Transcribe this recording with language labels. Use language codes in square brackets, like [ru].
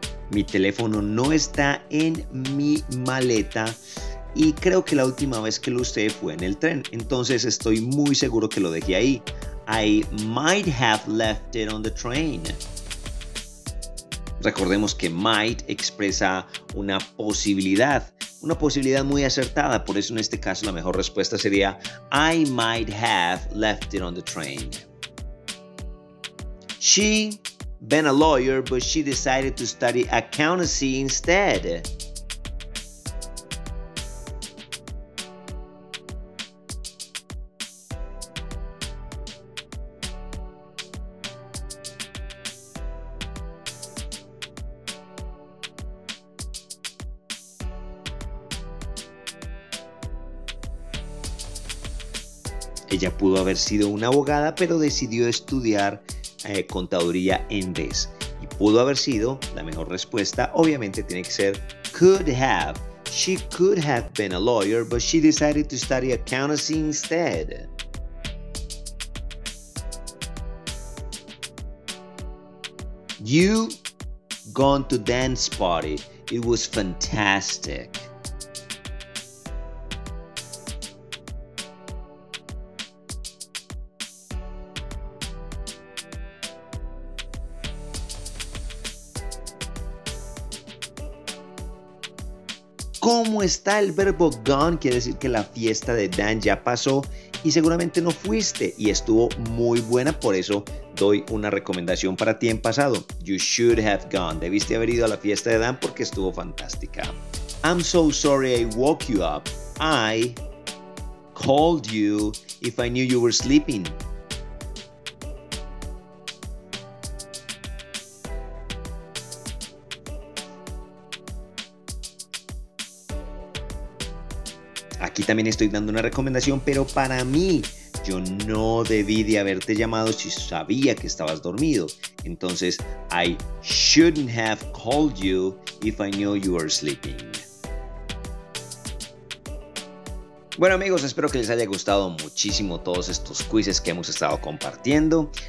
[es] Mi teléfono no está en mi maleta y creo que la última vez que lo usé fue en el tren. Entonces estoy muy seguro que lo dejé ahí. [en] I might have left it on the train. [es] Recordemos que might expresa una posibilidad muy acertada. Por eso en este caso la mejor respuesta sería [en] I might have left it on the train. She been a lawyer, but she decided to study accountancy instead. [es] Ella pudo haber sido una abogada, pero decidió estudiar contaduría en vez. Y pudo haber sido, la mejor respuesta, obviamente tiene que ser could have. [en] She could have been a lawyer, but she decided to study accountancy instead. You gone to dance party. It was fantastic. [es] ¿Cómo está el verbo gone? Quiere decir que la fiesta de Dan ya pasó y seguramente no fuiste y estuvo muy buena. Por eso doy una recomendación para ti en pasado. [en] You should have gone. [es] Debiste haber ido a la fiesta de Dan porque estuvo fantástica. [en] I'm so sorry I woke you up. I called you if I knew you were sleeping. [es] Aquí también estoy dando una recomendación, pero para mí, yo no debí de haberte llamado si sabía que estabas dormido. [en] Entonces, I shouldn't have called you if I knew you were sleeping. [es] Bueno amigos, espero que les haya gustado muchísimo todos estos quizzes que hemos estado compartiendo.